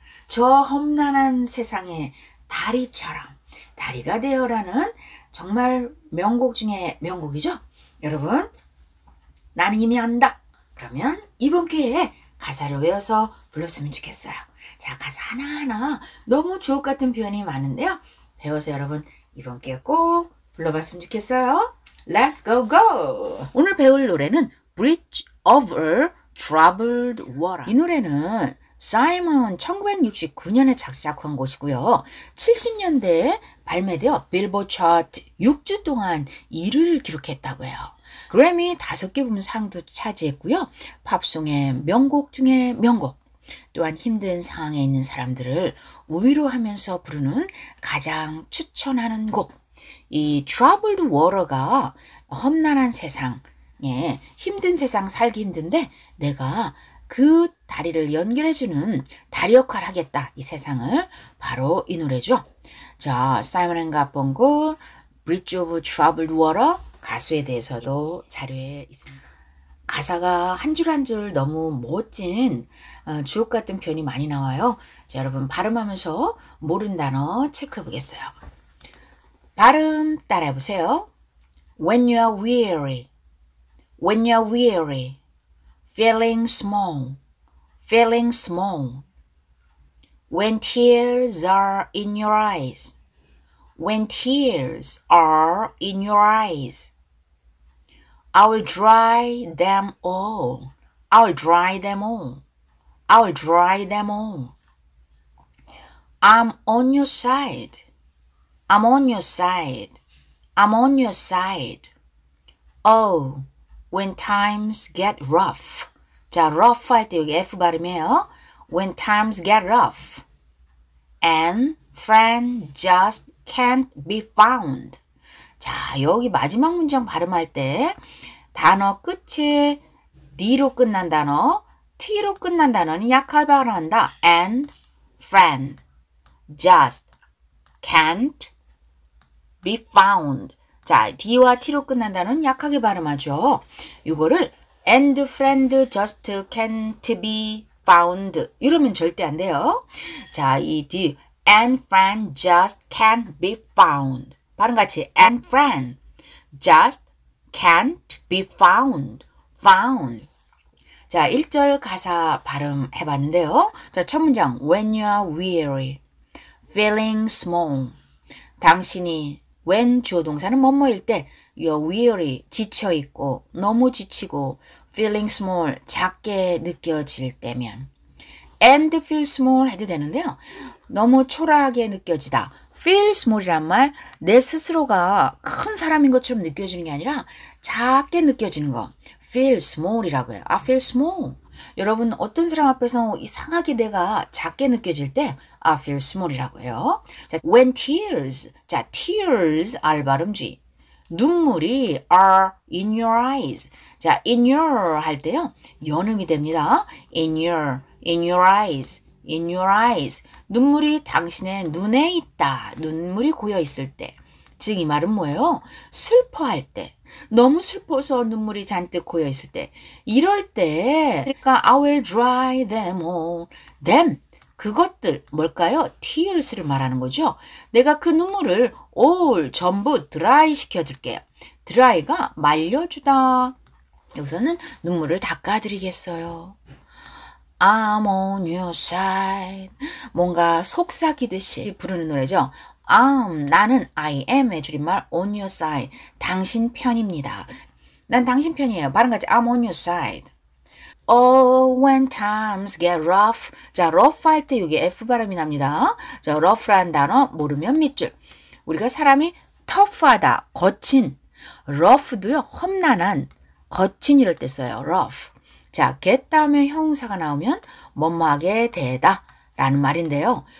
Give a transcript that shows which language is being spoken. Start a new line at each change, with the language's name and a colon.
Korean: 저 험난한 세상의 다리처럼 다리가 되어라는 정말 명곡 중에 명곡이죠. 여러분, 나는 이미 안다. 그러면 이번 기회에 가사를 외워서 불렀으면 좋겠어요. 자, 가사 하나하나 너무 주옥 같은 표현이 많은데요. 배워서 여러분 이번 기회에 꼭 불러봤으면 좋겠어요.
English: Let's go, go!
Korean: 오늘 배울 노래는
English: Bridge Over Troubled Water.
Korean: 이 노래는 사이먼 1969년에 작사한 곳이고요. 70년대에 발매되어 빌보드 차트 6주 동안 1위를 기록했다고 해요. 그래미 5개 부문 상도 차지했고요. 팝송의 명곡 중에 명곡. 또한 힘든 상황에 있는 사람들을 위로하면서 부르는 가장 추천하는 곡. 이
English: Troubled Water
Korean: 가 험난한 세상에 힘든 세상 살기 힘든데 내가 그 다리를 연결해주는 다리 역할을 하겠다. 이 세상을 바로 이 노래죠. 자, Simon & Garfunkel,
English: Bridge of Troubled Water
Korean: 가수에 대해서도 자료에 있습니다. 가사가 한 줄 한 줄 너무 멋진 주옥 같은 표현이 많이 나와요. 자, 여러분 발음하면서 모르는 단어 체크해 보겠어요. 발음 따라해 보세요.
English: When you are weary, when you are weary. Feeling small, feeling small. When tears are in your eyes, when tears are in your eyes. I will dry them all, I will dry them all, I will dry them all. I'm on your side, I'm on your side, I'm on your side. Oh, when times get rough.
Korean: 자,
English: rough
Korean: 할 때 여기 F 발음이에요.
English: When times get rough and friend just can't be found.
Korean: 자, 여기 마지막 문장 발음할 때 단어 끝에 D로 끝난 단어, T로 끝난 단어는 약하게 발음한다.
English: And friend just can't be found. 자, D와 T로 끝난 단어는 약하게 발음하죠. 이거를 And friend just can't be found.
Korean: 이러면 절대 안 돼요. 자, 이 D.
English: And friend just can't be found.
Korean: 발음 같이.
English: And friend just can't be found. Found.
Korean: 자, 1절 가사 발음 해봤는데요. 자, 첫 문장.
English: When you are weary, feeling small.
Korean: 당신이 when 주어동사는 뭐뭐일 때
English: you're weary,
Korean: 지쳐있고, 너무 지치고,
English: feeling small,
Korean: 작게 느껴질 때면 and feel small 해도 되는데요. 너무 초라하게 느껴지다.
English: feel small
Korean: 이란 말, 내 스스로가 큰 사람인 것처럼 느껴지는 게 아니라 작게 느껴지는 거 feel small이라고 해요.
English: I feel small.
Korean: 여러분, 어떤 사람 앞에서 이상하게 내가 작게 느껴질 때
English: I feel small
Korean: 이라고 해요. 자, when tears, 자, tears, R 발음지. 눈물이
English: are in your eyes.
Korean: 자, in your 할 때요. 연음이 됩니다.
English: In your eyes, in your eyes.
Korean: 눈물이 당신의 눈에 있다. 눈물이 고여 있을 때. 즉, 이 말은 뭐예요? 슬퍼할 때. 너무 슬퍼서 눈물이 잔뜩 고여 있을 때. 이럴 때, 그러니까
English: I will dry them all.
Korean: Them. 그것들 뭘까요? Tears를 말하는 거죠. 내가 그 눈물을 all 전부
English: dry
Korean: 시켜줄게요. Dry가 말려주다. 여기서는 눈물을 닦아드리겠어요.
English: I'm on your side.
Korean: 뭔가 속삭이듯이 부르는 노래죠. 나는 I am의 줄임말
English: on your side.
Korean: 당신 편입니다. 난 당신 편이에요.
English: 마찬가지 I'm on your side. Oh, when times get rough.
Korean: 자,
English: rough
Korean: 할 때 여기 F 발음이 납니다. 자, rough란 단어 모르면 밑줄. 우리가 사람이 tough하다, 거친. rough도요, 험난한, 거친 이럴 때 써요.
English: rough.
Korean: 자, get 다음에 형용사가 나오면 뭐뭐하게 되다 라는 말인데요.